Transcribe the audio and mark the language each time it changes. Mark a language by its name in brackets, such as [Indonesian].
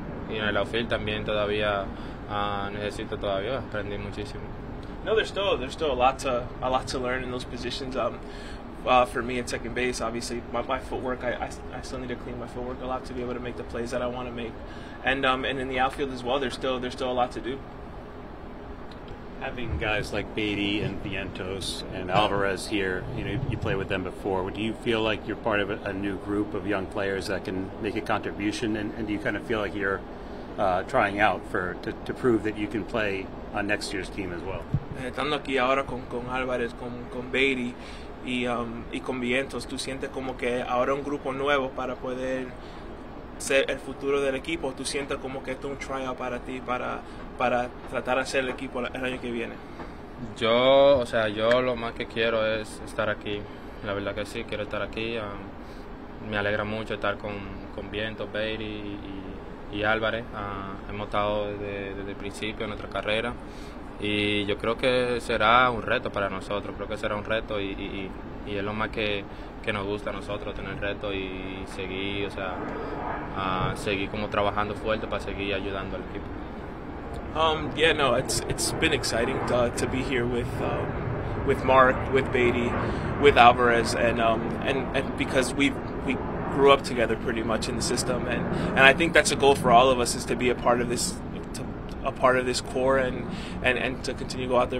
[Spanish] Y en el outfield también todavía necesito todavía aprender muchísimo. [English] No, there's still a lot to learn in those positions. For me at second base, obviously my footwork, I still need to clean my footwork a lot to be able to make the plays that I want to make. And in the outfield as well, there's still a lot to do. Having guys like Baty and Vientos and Alvarez here, you know, you play with them before. Do you feel like you're part of a new group of young players that can make a contribution? And do you kind of feel like you're trying out to prove that you can play on next year's team as well? [Spanish] Estando aquí ahora con Alvarez, con Baty y con Vientos, ¿tú sientes como que ahora un grupo nuevo para poder ser el futuro del equipo? ¿Tú sientes como que esto es un tryout para ti, para tratar de hacer el equipo el año que viene? Yo lo más que quiero es estar aquí. La verdad que sí, quiero estar aquí. Me alegra mucho estar con Vientos, Baty y Álvarez. Hemos estado desde el principio en nuestra carrera. Y yo creo que será un reto para nosotros. Creo que será un reto y es lo más que nos gusta a nosotros, tener reto y seguir, o sea, seguir como trabajando fuerte para seguir ayudando al equipo. [English] Yeah, no, it's been exciting to be here with Mark, with Baty, with Alvarez, and because we grew up together pretty much in the system, and I think that's a goal for all of us, is to be a part of this core and to continue to go out there.